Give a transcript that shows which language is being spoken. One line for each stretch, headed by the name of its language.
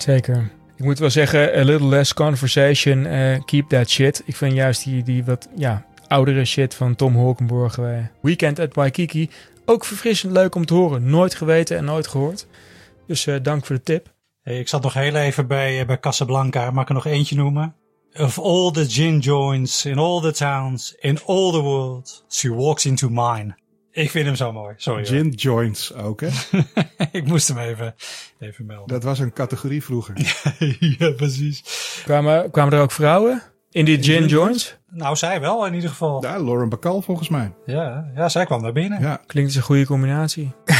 Dutch: Zeker. Ik moet wel zeggen,
English: a little less conversation, keep that shit.
Dutch: Ik vind juist die wat oudere shit van Tom Holkenborg. Weekend at Waikiki, ook verfrissend leuk om te horen. Nooit geweten en nooit gehoord. Dus dank voor de tip. Ik zat nog heel even bij Casablanca. Mag ik er nog eentje noemen?
English: Of all the gin joints in all the towns in all the world, she walks into mine.
Dutch: Ik vind hem zo mooi. Sorry. Gin hoor. Joints ook, hè? Ik moest hem even melden. Dat was een categorie vroeger. Ja, precies. Kwamen er ook vrouwen in die gin joints? Nou, zij wel in ieder geval. Ja, Lauren Bacall volgens mij. Ja, ja, zij kwam daar binnen. Ja. Klinkt een goede combinatie.